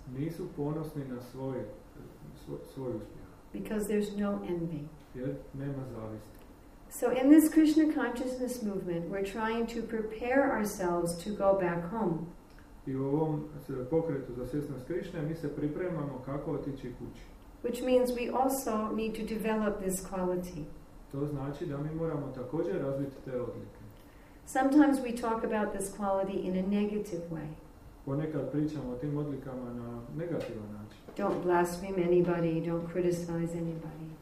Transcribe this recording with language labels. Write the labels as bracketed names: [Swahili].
[Croatian] Nisu ponosni na svoj uspjeh. [English] Because there's no envy. [Croatian] Jer nema zavisti. [English] So in this Krishna consciousness movement, we're trying to prepare ourselves to go back home. [Croatian] I u ovom pokretu za svjesnost Krišne mi se pripremamo kako otići kući. [English] Which means we also need to develop this quality. [Croatian] To znači da mi moramo također razviti te odlike. [English] Sometimes we talk about this quality in a negative way. [Croatian] Ponekad pričamo o tim odlikama na negativan način. [English] Don't blaspheme anybody, don't criticize anybody.